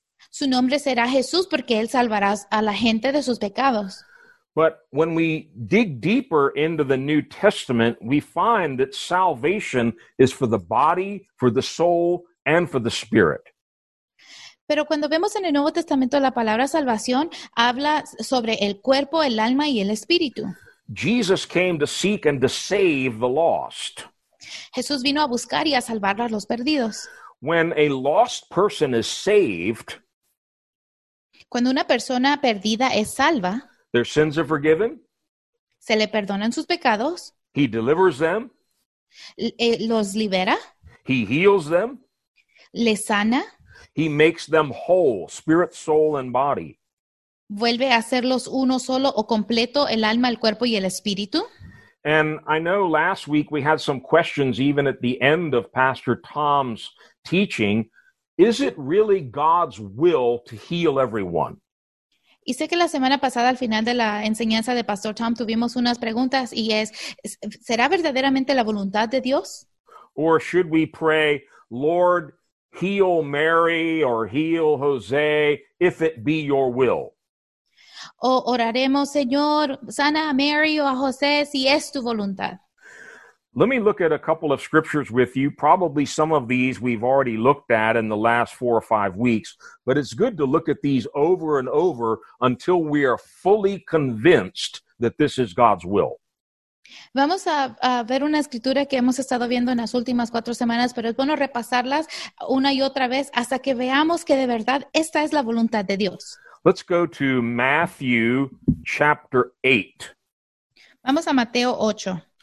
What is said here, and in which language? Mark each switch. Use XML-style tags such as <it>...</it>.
<es>Su nombre será Jesús porque él salvará a la gente de sus pecados.</es> <en>But when we dig deeper into the New Testament, we find that salvation is for the body, for the soul, and for the spirit.</en> <es>Pero cuando vemos en el Nuevo Testamento la palabra salvación, habla sobre el cuerpo, el alma y el espíritu.</es> <en>Jesus came to seek and to save the lost.</en> <es>Jesús vino a buscar y a salvar a los perdidos.</es> <en>When a lost person is saved,</en> <es>cuando una persona perdida es salva,</es> <en>their sins are forgiven,</en> <es>se le perdonan sus pecados,</es> <en>he delivers them,</en> <es>los libera,</es> <en>he heals them,</en> <es>les sana,</es> <en>he makes them whole, spirit, soul, and body.</en> <es>Vuelve a hacerlos uno solo o completo, el alma, el cuerpo y el espíritu.</es> <en>And I know last week we had some questions even at the end of Pastor Tom's teaching. Is it really God's will to heal everyone?</en> <es>Y sé que la semana pasada al final de la enseñanza de Pastor Tom tuvimos unas preguntas y es, ¿será verdaderamente la voluntad de Dios?</es> <en>Or should we pray, Lord, heal Mary or heal Jose, if it be your will.</en> <es>O oraremos, Señor, sana a Mary o a José, si es tu voluntad.</es> <en>Let me look at a couple of scriptures with you. Probably some of these we've already looked at in the last 4 or 5 weeks, but it's good to look at these over and over until we are fully convinced that this is God's will.</en> <es>Vamos a ver una escritura que hemos estado viendo en las últimas 4 semanas, pero es bueno repasarlas una y otra vez hasta que veamos que de verdad esta es la voluntad de Dios.</es> <en>Let's go to Matthew chapter 8.</en> <es>Vamos a Mateo 8.</es>